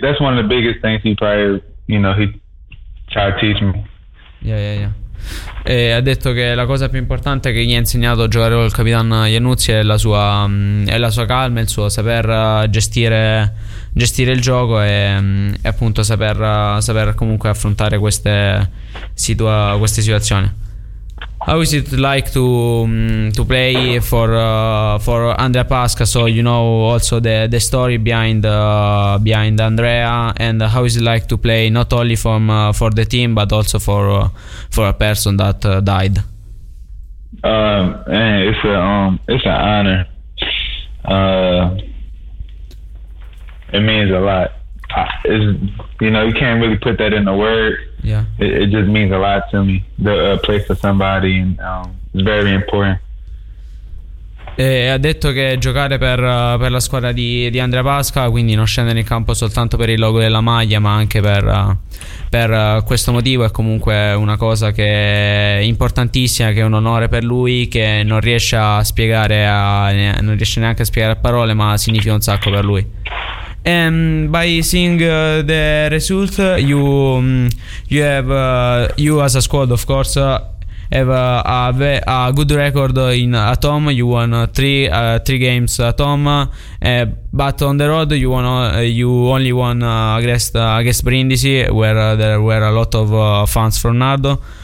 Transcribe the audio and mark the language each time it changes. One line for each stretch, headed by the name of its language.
English: That's one of the biggest things he probably, you know, he tried to teach me. Yeah, yeah, yeah.
Italian: E ha detto che la cosa più importante che gli ha insegnato a giocare col capitan Iannuzzi è la sua calma, il suo saper gestire il gioco e appunto saper comunque affrontare queste situazioni.
English: How is it like to play for Andrea Pasca? So you know also the story behind Andrea, and how is it like to play not only for the team but also for a person that died? It's an honor. It means a lot. You know, you can't really put that into words. Yeah, it just means a lot to me to play for somebody, and it's very important.
Italian: E ha detto che giocare per la squadra di Andrea Pasca, quindi non scendere in campo soltanto per il logo della maglia ma anche per questo motivo, è comunque una cosa che è importantissima, che è un onore per lui, che non riesce a spiegare non riesce neanche a spiegare a parole, ma significa un sacco per lui.
English: And by seeing the result, you as a squad, of course, have a good record in at home. You won three games at home, but on the road you only won against Brindisi, where there were a lot of fans from Nardo.